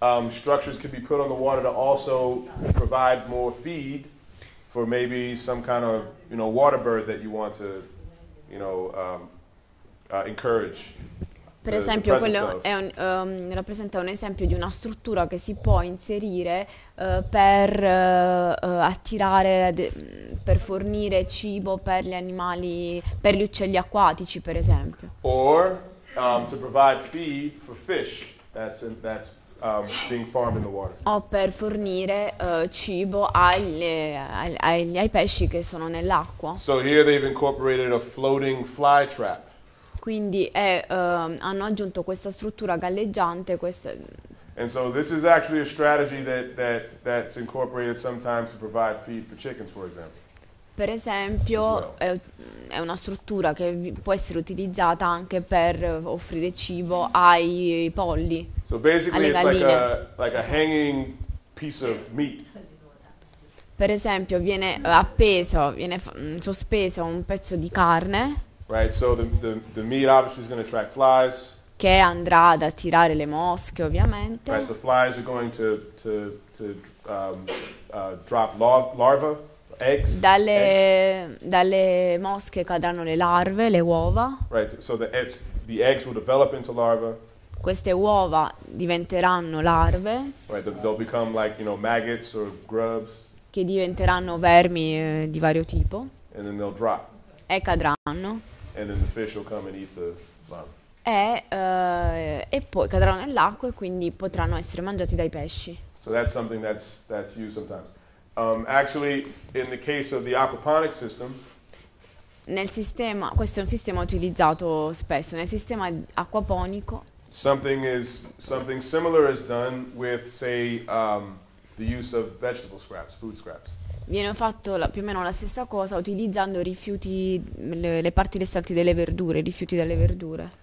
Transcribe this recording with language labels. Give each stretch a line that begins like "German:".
English: structures can be put on the water to also provide more feed for maybe some kind of, you know, water bird that you want to, you know, encourage.
Italian: Per esempio, quello è rappresenta un esempio di una struttura che si può inserire per attirare, per fornire cibo per gli animali, per gli uccelli acquatici, per esempio.
English: Or to provide feed for fish. That's being farmed in the water.
Italian: O per fornire cibo ai pesci che sono nell'acqua.
English: So here they've incorporated a floating fly trap.
Italian: Quindi hanno aggiunto questa struttura galleggiante, questa.
English: And so this is actually a strategy that's incorporated sometimes to provide feed for chickens, for example.
Italian: Per esempio, è una struttura che può essere utilizzata anche per offrire cibo ai polli.
English: So basically
Italian: alle galline.
English: It's like a hanging piece of meat.
Italian: Per esempio, viene appeso, viene sospeso un pezzo di carne.
English: Right, so the meat obviously is going to attract flies.
Italian: Che andrà ad attirare le mosche, ovviamente.
English: Right, the flies are going to drop larva. Eggs,
Italian: dalle mosche cadranno le larve, le uova.
English: Right, so the eggs will develop into larva.
Italian: Queste uova diventeranno larve.
English: Right, they'll become like, you know, maggots or grubs.
Italian: Che diventeranno vermi di vario tipo.
English: And then they'll drop.
Italian: E cadranno.
English: And then the fish will come and eat the larva.
Italian: E poi cadranno nell'acqua e quindi potranno essere mangiati dai pesci.
English: So that's something that's used sometimes. Actually, in the case of the aquaponic system,
Italian: nel sistema, questo è un sistema utilizzato spesso nel sistema acquaponico.
English: Something similar is done with, say, the use of vegetable scraps, food scraps.
Italian: Viene fatto più o meno la stessa cosa utilizzando rifiuti, le parti restanti delle verdure, rifiuti delle verdure.